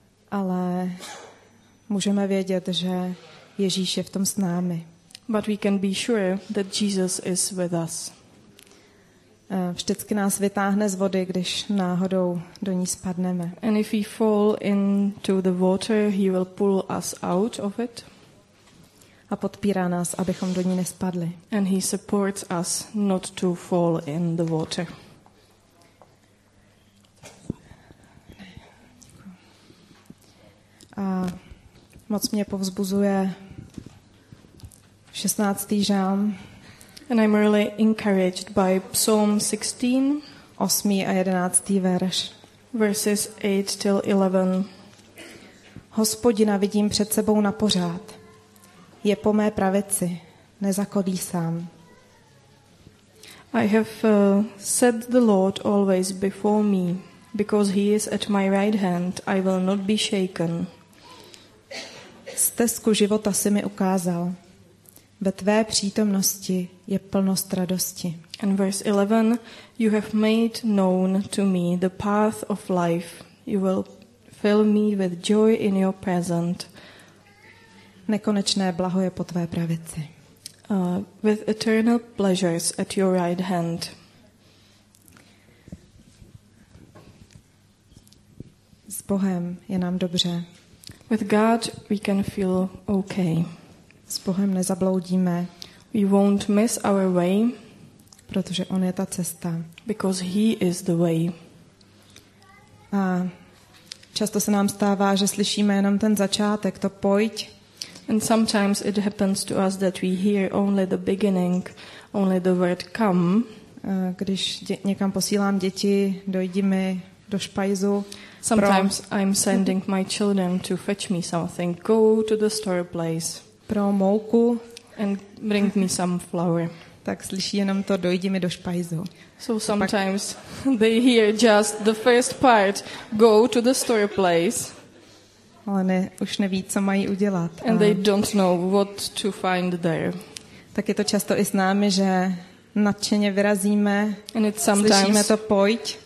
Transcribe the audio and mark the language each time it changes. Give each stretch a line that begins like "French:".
Czech: Ale můžeme vědět, že Ježíš je v tom s námi.
English: But we can be sure that Jesus is with us.
Czech: Vždycky nás vytáhne z vody, když náhodou do ní spadneme.
English: And if we fall into the water, he will pull us out of it.
Czech: A podpírá nás, abychom do ní nespadli.
English: And he supports us not to fall in the water.
Czech: A moc mě povzbuzuje 16. žálm.
English: And I'm really encouraged by Psalm 16,
Czech: 8. a 11. verš.
English: Verses 8 till 11.
Czech: Hospodina vidím před sebou na pořád. Je po mé pravici, nezakolísám.
English: I have set the Lord always before me, because he is at my right hand, I will not be shaken.
Czech: Stezku života si mi ukázal. Ve tvé přítomnosti je plnost radosti.
English: And verse 11, you have made known to me the path of life. You will fill me with joy in your presence.
Czech: Nekonečné blaho je po tvé pravici.
English: With eternal pleasures at your right hand.
Czech: S Bohem je nám dobře.
English: With God we can feel okay.
Czech: S Bohem nezabloudíme.
English: We won't miss our way,
Czech: protože on je ta cesta.
English: Because he is the way.
Czech: A často se nám stává, že slyšíme jenom ten začátek, to pojď.
English: And sometimes it happens to us that we hear only the beginning, only the word come.
Czech: Když někam posílám děti, dojdi mi do špajzu.
English: Sometimes I'm sending my children to fetch me something. Go to the store place.
Czech: Pro mouku.
English: And bring me some flour.
Czech: Tak slyší jenom to, dojdi mi do špajzu.
English: So sometimes they hear just the first part, go to the store place.
Czech: ale už neví, co mají udělat.
English: And they don't know what to find there.
Czech: Tak je to často i s námi, že nadšeně vyrazíme,
English: and it's sometimes
Czech: slyšíme to pojď.